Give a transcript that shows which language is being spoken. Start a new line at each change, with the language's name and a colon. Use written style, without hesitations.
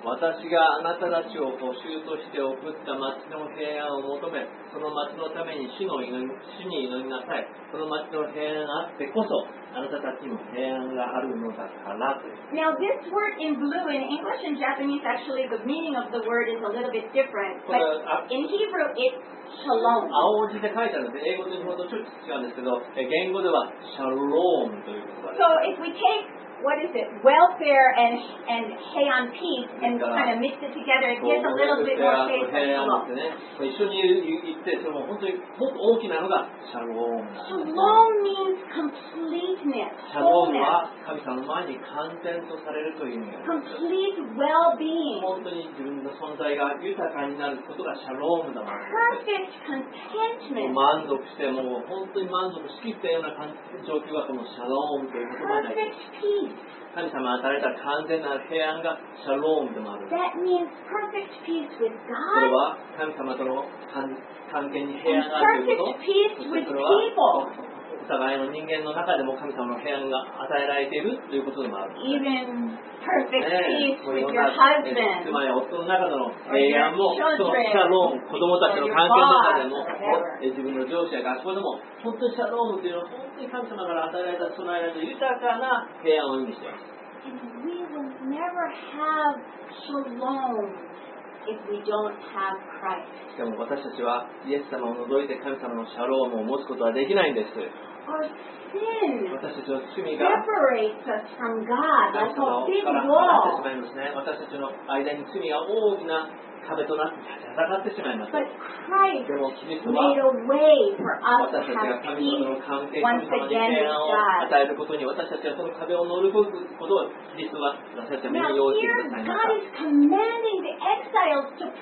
Japanese: 私があなたたちを捕囚として送った町の平安を求め、その町のために主に祈りなさい。その町の平安があってこそ。
English: Now this word in blue, in English and Japanese, actually the meaning of the word is a little bit different. But in Hebrew, it's shalom.
Japanese: 青文字で書いてあるので、英語と日本語とちょっと違うんですけど、言語ではシャロームという言葉です。
English: So if we take, what is it, welfare and heian peace and kind of mix it together, it gets a little bit more shape and shalom.
Japanese: 一緒に言って、それも本当にもっと大きなのがシャローム。
English: Shalom means complete.
Japanese: シャロームは神様の前に完全とされるという意味です。
English: Complete well-being.
Japanese: 本当に自分の存在が豊かになることがシャロームだもん。
English: Perfect contentment.
Japanese: 満足して、もう本当に満足しきったような状況がこのシャロームという言葉で。
English: Perfect peace.
Japanese: 神様が与えた完全な平安がシャロームでもある。
English: That means perfect peace with God.
Japanese: それは神様との関係に平安があるということ。
English: And perfect peace with people.
Japanese: お互いの人間の中でも神様の平安が与えられているということでもある。
English: Even perfect peace with your husband.
Japanese: 妻や夫の中での平安も、そのシャローム、子供たちの関係の中でも、自分の上司や学校でも、本当にシャロームというのは本当に神様から与えられた備えられた豊かな平安を意味しています。
English: And we will never have shalom if we don't have Christ.
Japanese: しかも私たちはイエス様を除いて神様のシャロームを持つことはできないんです。
English: Our sin separates us from God. That's a big wall.
Japanese: 壁となって戦ってしまいます。でもキリストは私たちが神との関係の平安を与えることに、私たちはその壁を乗り越えることをキリストは私たちに用意してくださいました。でも見てください。